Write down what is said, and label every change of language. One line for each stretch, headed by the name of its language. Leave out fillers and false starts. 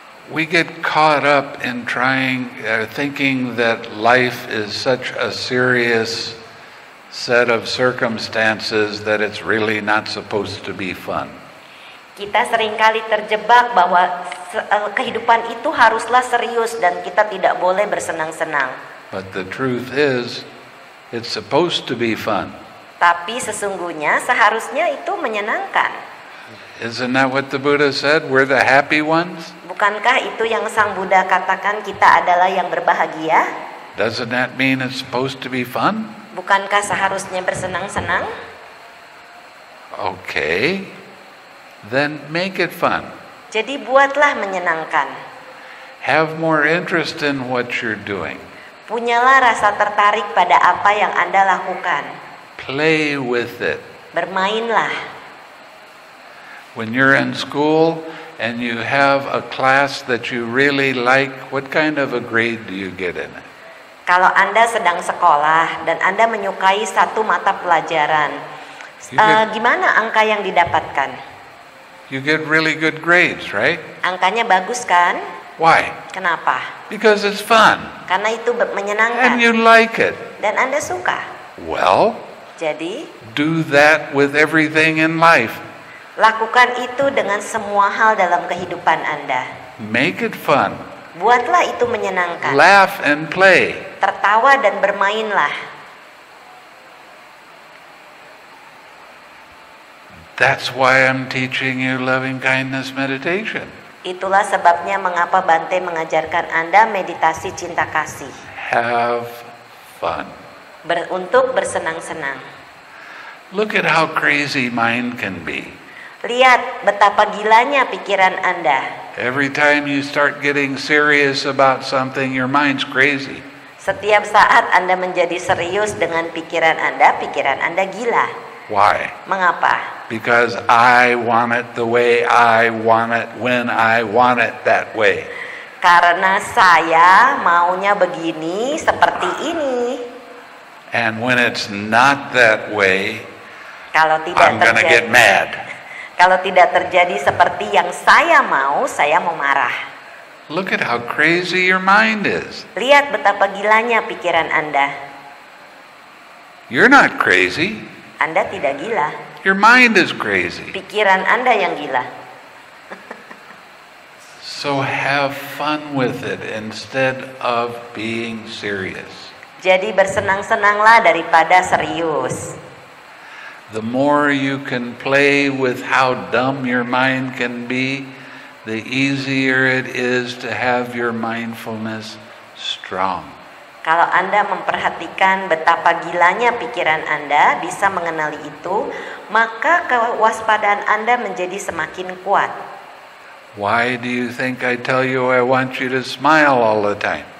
English: We get caught up in thinking that life is such a serious set of circumstances that it's really not supposed to be fun.
Indonesian: Kita seringkali terjebak bahwa kehidupan itu haruslah serius dan kita tidak boleh bersenang-senang.
English: But the truth is, it's supposed to be fun.
Indonesian: Tapi sesungguhnya seharusnya itu menyenangkan.
English: Isn't that what the Buddha said? We're the happy ones?
Indonesian: Bukankah itu yang Sang Buddha katakan kita adalah yang berbahagia?
English: Doesn't that mean it's supposed to be fun?
Indonesian: Bukankah seharusnya bersenang-senang?
English: Okay. Then make it fun.
Indonesian: Jadi buatlah menyenangkan.
English: Have more interest in what you're doing.
Indonesian: Punyalah rasa tertarik pada apa yang Anda lakukan.
English: Play with it.
Indonesian: Bermainlah.
English: When you're in school and you have a class that you really like, what kind of a grade do you get in it?
Indonesian: Kalau Anda sedang sekolah dan Anda menyukai satu mata pelajaran, gimana angka yang didapatkan?
English: You get really good grades, right?
Indonesian: Angkanya bagus kan?
English: Why?
Indonesian: Kenapa?
English: Because it's fun.
Indonesian: Karena itu menyenangkan.
English: And you like it.
Indonesian: Dan Anda suka.
English: Well,
Indonesian: jadi
English: do that with everything in life.
Indonesian: Lakukan itu dengan semua hal dalam kehidupan Anda.
English: Make it fun.
Indonesian: Buatlah itu menyenangkan.
English: Laugh and play.
Indonesian: Tertawa dan bermainlah.
English: That's why I'm teaching you loving kindness meditation.
Indonesian: Itulah sebabnya mengapa Bante mengajarkan Anda meditasi cinta kasih.
English: Have fun.
Indonesian: Untuk bersenang-senang.
English: Look at how crazy mind can be.
Indonesian: Lihat betapa gilanya pikiran Anda.
English: Every time you start getting serious about something, your mind's crazy.
Indonesian: Setiap saat Anda menjadi serius dengan pikiran Anda gila.
English: Why?
Indonesian: Mengapa?
English: Because I want it the way I want it when I want it that way.
Indonesian: Karena saya maunya begini, seperti ini.
English: And when it's not that way,
Indonesian: kalau tidak terjadi,
English: I'm gonna get mad.
Indonesian: Kalau tidak terjadi seperti yang saya mau marah.
English: Look at how crazy your mind is.
Indonesian: Lihat betapa gilanya pikiran Anda.
English: You're not crazy.
Indonesian: Anda tidak gila.
English: Your mind is crazy.
Indonesian: Pikiran Anda yang gila.
English: So have fun with it instead of being serious.
Indonesian: Jadi bersenang-senanglah daripada serius.
English: The more you can play with how dumb your mind can be, the easier it is to have your mindfulness strong.
Indonesian: Kalau Anda memperhatikan betapa gilanya pikiran Anda, bisa mengenali itu, maka kewaspadaan Anda menjadi semakin kuat.
English: Why do you think I tell you I want you to smile all the time?